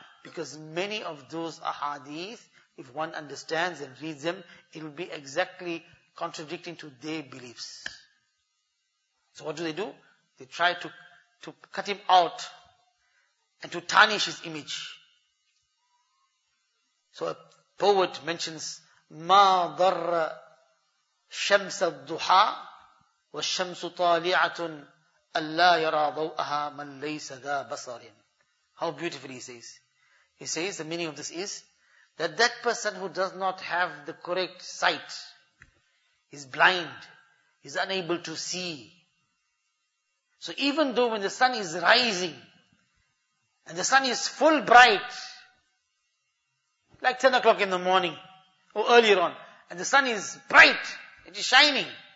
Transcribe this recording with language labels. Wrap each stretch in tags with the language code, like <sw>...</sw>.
<en>Because many of those ahadith, if one understands and reads them, it'll be exactly contradicting to their beliefs. So what do? They try to cut him out and to tarnish his image.</en> <ar>So a poet mentions, مَا ضَرَّ شَمْسَ الدُّحَى وَالشَّمْسُ طَالِعَةٌ أَلَّا يَرَى ضَوْءَهَا مَنْ لَيْسَ ذَا بَصَرٍ.</ar> <en>How beautifully he says. He says, the meaning of this is, that person who does not have the correct sight, is blind, is unable to see. So even though when the sun is rising, and the sun is full bright, like 10 o'clock in the morning, or earlier on, and the sun is bright, it is shining.</en>